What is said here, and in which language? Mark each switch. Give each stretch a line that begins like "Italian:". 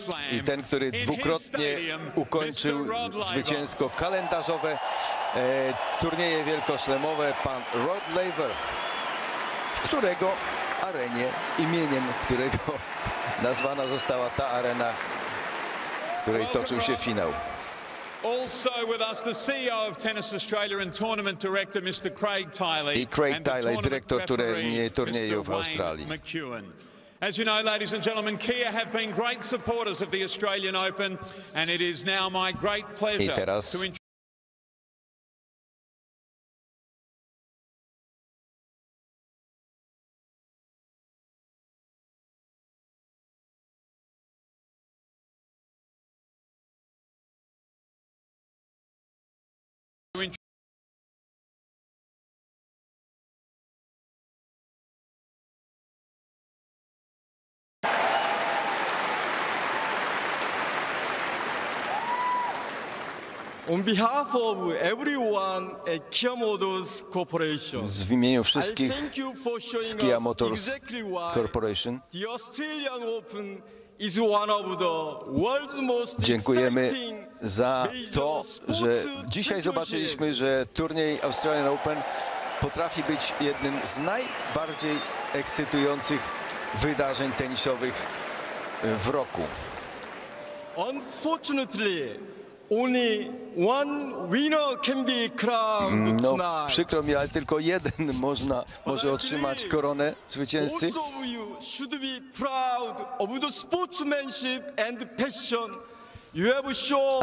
Polish: I ten, który dwukrotnie ukończył zwycięsko kalendarzowe turnieje wielkoszlemowe, pan Rod Laver, w którego arenie, imieniem którego nazwana została ta arena, w której toczył się finał.
English: Also with us the CEO of Tennis Australia and tournament director Mr. Craig Tiley.
Polish: I Craig Tiley, dyrektor turnieju w Australii.
English: As you know, ladies and gentlemen, Kia have been great supporters of the Australian Open and it is now my great pleasure
Polish: teraz... to
English: On behalf of everyone at Kia Motors Corporation.
Polish: W imieniu wszystkich z Kia Motors Corporation.
English: The Australian Open is one of the world's most.
Polish: Dziękujemy za to, że dzisiaj zobaczyliśmy, że turniej Australian Open potrafi być jednym z najbardziej ekscytujących wydarzeń tenisowych w roku.
English: Unfortunately, only one winner can be crowned tonight.
Polish: No, przykro mi, ale tylko jeden można może otrzymać koronę zwycięzcy.
English: Also you should be proud of the sportsmanship and passion you have shown.